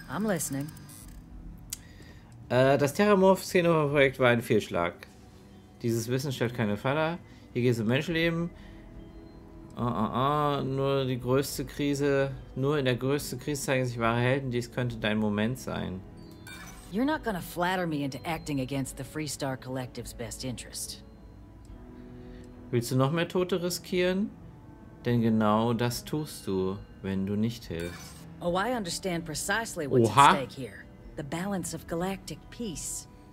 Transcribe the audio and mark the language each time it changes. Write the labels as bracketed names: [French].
[English] I'm listening. [German] Das Terramorph-Szenario-Projekt war ein Fehlschlag. Dieses Wissen stellt keine Falle. Hier geht es um Menschenleben. Nur in der größten Krise zeigen sich wahre Helden. Dies könnte dein Moment sein. [English] You're not gonna flatter me into acting against the Freestar Collective's best interest. [German] Willst du noch mehr Tote riskieren? Denn genau das tust du, wenn du nicht hilfst. [English] Oh, I understand precisely what's at stake here. The balance of galactic peace.